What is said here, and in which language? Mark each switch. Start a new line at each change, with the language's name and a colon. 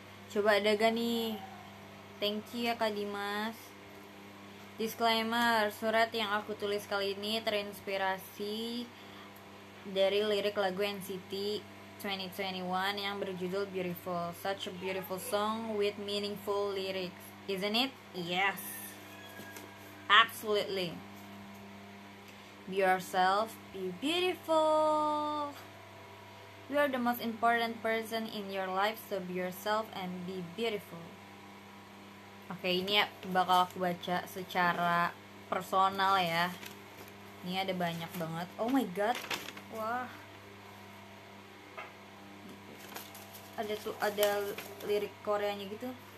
Indonesian: Coba ada gak nih?
English: Thank you
Indonesian: ya Kak Dimas. Disclaimer, surat yang aku tulis kali ini terinspirasi dari lirik lagu NCT 2021 yang berjudul Beautiful.
English: Such a beautiful song with meaningful lyrics, isn't it? Yes. Absolutely. Be yourself, be beautiful. You are the most important person in your life, so be yourself and be beautiful.
Indonesian: Oke, ini ya bakal aku baca secara personal ya. Ini ada banyak banget.
English: Oh my god.
Indonesian: Wah. Ada tuh ada lirik Koreanya gitu.